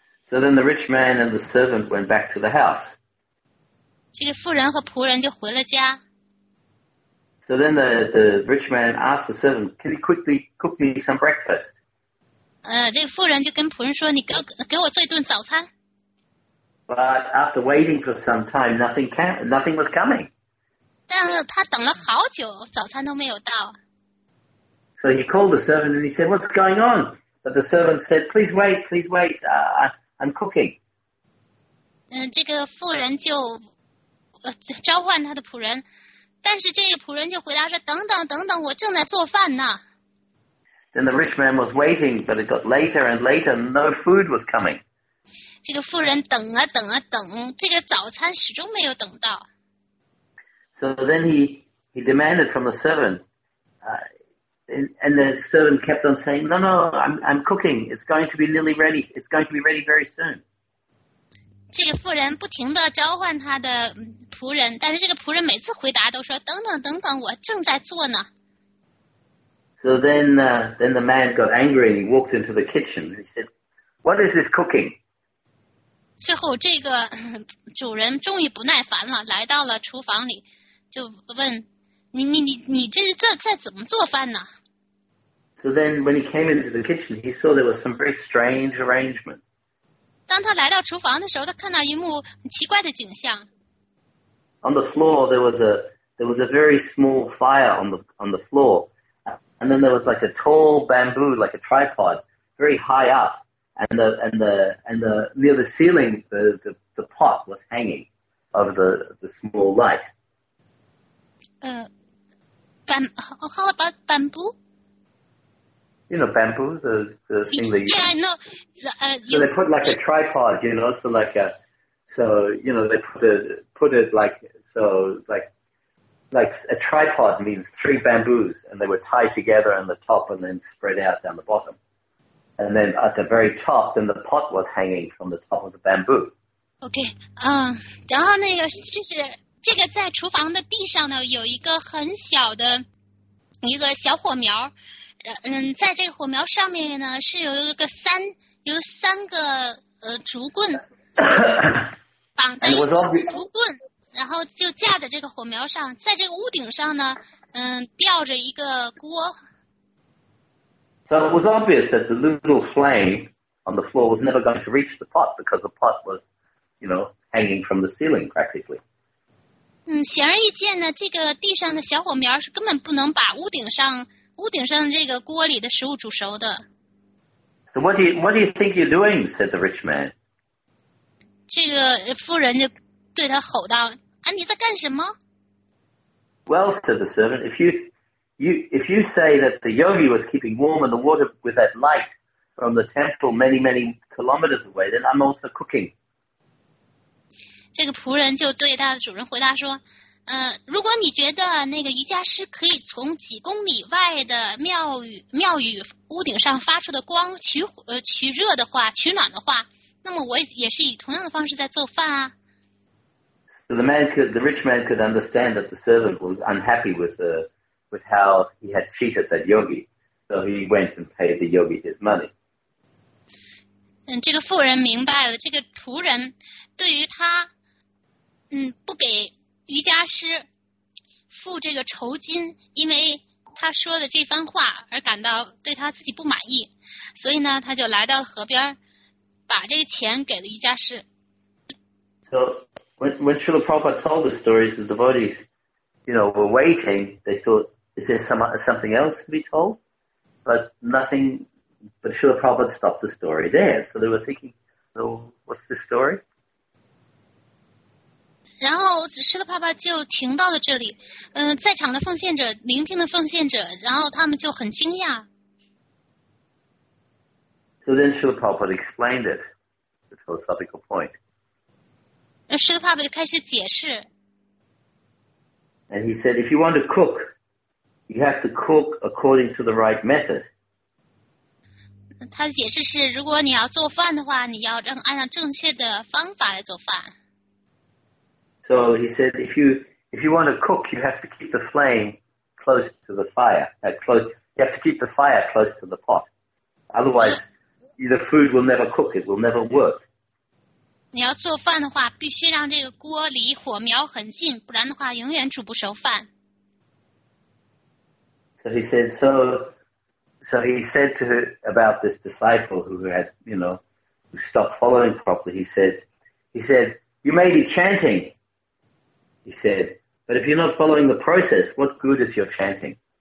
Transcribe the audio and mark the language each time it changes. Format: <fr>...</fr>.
<en>So then the rich man and the servant went back to the house.</en> <zh>这个富人和仆人就回了家。</zh> <en>So then the rich man asked the servant, "Can you quickly cook me some breakfast?"</en> <zh>这个富人就跟仆人说："你给我做一顿早餐。"</zh> <en>But after waiting for some time, nothing was coming.</en> <zh>但是他等了好久，早餐都没有到。</zh> <en>So he called the servant and he said, "What's going on?" But the servant said, "Please wait, please wait. I'm cooking."</en> <zh>这个富人就召唤他的仆人，但是这个仆人就回答说："等等等等，我正在做饭呢。"</zh> <en>Then the rich man was waiting, but it got later and later, and no food was coming.</en> <zh>这个富人等啊等啊等，这个早餐始终没有等到。</zh> <en>So then he demanded from the servant, and the servant kept on saying, "No, I'm cooking. It's going to be nearly ready. It's going to be ready very soon."</en> <zh>这个富人不停地召唤他的仆人，但是这个仆人每次回答都说："等等等等，我正在做呢。"</zh> <en>So then the man got angry and he walked into the kitchen. He said, "What is this cooking?"</en> <zh>最后，这个主人终于不耐烦了，来到了厨房里，就问："你这怎么做饭呢？"</zh> <en>So then when he came into the kitchen, he saw there was some very strange arrangement.</en> <zh>当他来到厨房的时候，他看到一幕奇怪的景象。</zh> <en>On the floor, there was a very small fire on the floor. And then there was like a tall bamboo, like a tripod, very high up, and the near the ceiling, the pot was hanging of the small light. How about bamboo? You know, bamboo, the thing they use. Yeah, I know. So they put like a tripod, you know, so like a so you know, they put it like so like a tripod means three bamboos, and they were tied together on the top and then spread out down the bottom. And then at the very top, then the pot was hanging from the top of the bamboo.</en> <zh>OK，然后那个就是这个在厨房的地上呢，有一个很小的一个小火苗，在这个火苗上面呢是有三个竹棍绑在</zh> <en>And it obvious.</en> <zh>竹棍，然后就架在这个火苗上，在这个屋顶上呢，吊着一个锅。</zh> <en>So it was obvious that the little flame on the floor was never going to reach the pot because the pot was, you know, hanging from the ceiling practically.</en> <zh>显而易见呢，这个地上的小火苗是根本不能把屋顶上这个锅里的食物煮熟的。</zh> <en>So what do you think you're doing?" said the rich man.</en> <zh>这个富人就对他吼道："你在干什么？"</zh> <en>"Well," said the servant, "if you say that the yogi was keeping warm in the water with that light from the temple many, many kilometers away, then I'm also cooking."</en> <zh>这个仆人就对他的主人回答说："如果你觉得那个瑜伽师可以从几公里外的庙宇屋顶上发出的光取热的话，取暖的话，那么我也是以同样的方式在做饭啊。"</zh> <en>So the rich man could understand that the servant was unhappy with how he had cheated that yogi. So he went and paid the yogi his money.</en> <zh>这个富人明白了，这个仆人对于他，不给瑜伽师付这个酬金，因为他说的这番话而感到对他自己不满意，所以呢，他就来到河边，把这个钱给了瑜伽师。</zh> <en>So when Srila Prabhupada told the stories, the devotees, you know, were waiting. They thought, "Is there something else to be told?" But Srila Prabhupada stopped the story there. So they were thinking, "So what's the story?"</en> <zh>然后施乐帕帕就停到了这里，在场的奉献者，聆听的奉献者，然后他们就很惊讶。</zh> <en>So then Srila Prabhupada explained it, the philosophical point.</en> <zh>Srila Prabhupada 开始解释。</zh> <en>And he said, if you want to cook, you have to cook according to the right method.</en> <zh>他的解释是，如果你要做饭的话，你要让按照正确的方法来做饭。</zh> <en>So he said, if you want to cook, you have to keep the flame close to the fire. You have to keep the fire close to the pot. Otherwise, the food will never cook. It will never work.</en> <zh>你要做饭的话，必须让这个锅离火苗很近，不然的话，永远煮不熟饭。</zh> <en>So he said, so he said to her about this disciple who had, you know, who stopped following properly. He said, you may be chanting. He said, but if you're not following the process, what good is your chanting?</en>